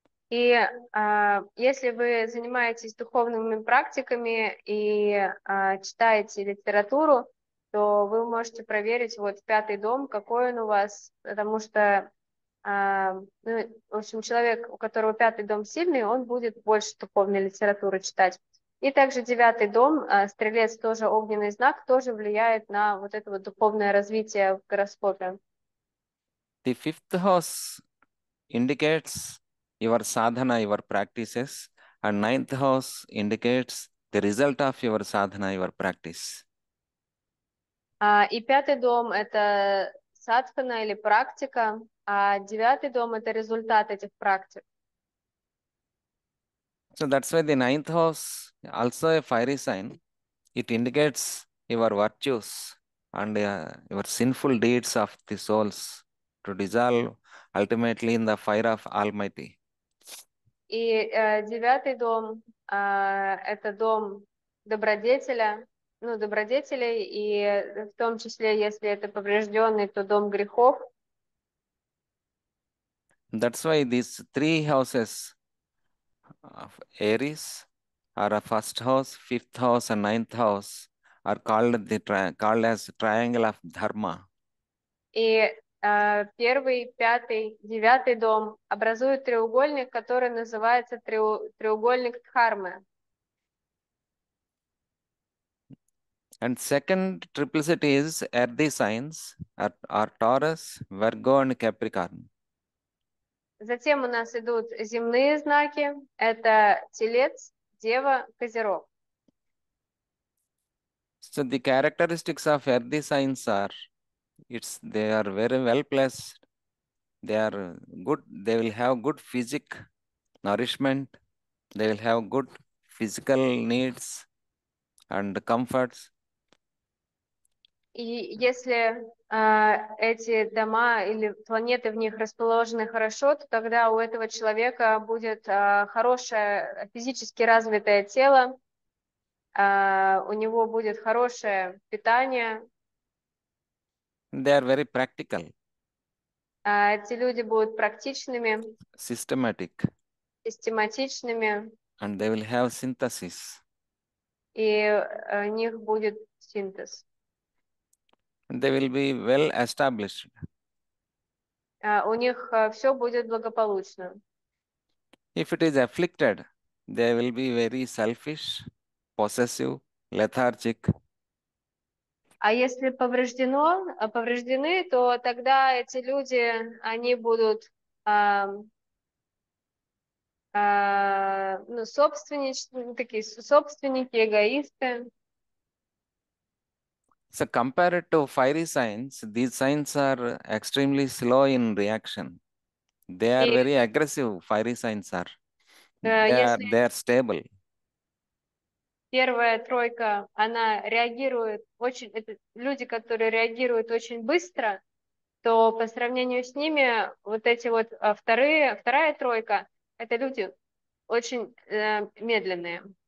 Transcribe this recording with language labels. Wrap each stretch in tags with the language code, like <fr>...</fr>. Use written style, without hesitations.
<ru>И если вы занимаетесь духовными практиками и читаете литературу, то вы можете проверить вот пятый дом, какой он у вас, потому что, в общем, человек, у которого пятый дом сильный, он будет больше духовной литературы читать. И также девятый дом, стрелец, тоже огненный знак, тоже влияет на вот это вот духовное развитие в гороскопе.</ru> <en>The fifth house indicates your sadhana, your practices, and ninth house indicates the result of your sadhana, your practice.</en> <ru>И пятый дом – это садхана или практика, а девятый дом – это результат этих практик.</ru> <en>So that's why the ninth house, also a fiery sign, it indicates your virtues and your sinful deeds of the souls. To dissolve ultimately in the fire of Almighty.</en> <ru>И девятый дом это дом добродетеля. Ну, добродетелей, и в том числе, если это поврежденный, то дом грехов.</ru> <en>That's why these three houses of Aries are a first house, fifth house, and ninth house are called as triangle of Dharma.</en> <ru>И первый, пятый, девятый дом образуют треугольник, который называется треугольник Дхармы.</ru> <en>And second triplicity is earthy signs are Taurus, Virgo, and Capricorn.</en> <ru>Затем у нас идут земные знаки. Это Телец, Дева, Козерог.</ru> <en>So the characteristics of earthy signs are, it's they are very well placed. They are good. They will have good physic nourishment. They will have good physical needs and comforts.</en> <ru>И если эти дома или планеты в них расположены хорошо, то тогда у этого человека будет хорошее физически развитое тело, у него будет хорошее питание,</ru> <en>They are very practical,</en> <ru>эти люди будут практичными,</ru> <en>systematic,</en> <ru>систематичными,</ru> <en>and they will have synthesis.</en> <ru>и у них будет синтез.</ru> <en>And they will be well established.</en> <ru>У них все будет благополучно.</ru> <en>If it is afflicted, they will be very selfish, possessive, lethargic.</en> <ru>А если повреждены, то тогда эти люди, они будут ну, собственнички, такие собственники, эгоисты.</ru> <en>So compared to fiery signs, these signs are extremely slow in reaction. They are</en> <ru>И</ru> <en>very aggressive, fiery signs are.</en> <ru>если</ru> <en>They are stable.</en> <ru>первая тройка, она реагирует очень, это люди, которые реагируют очень быстро, то по сравнению с ними вот эти вот вторая тройка, это люди очень медленные.</ru>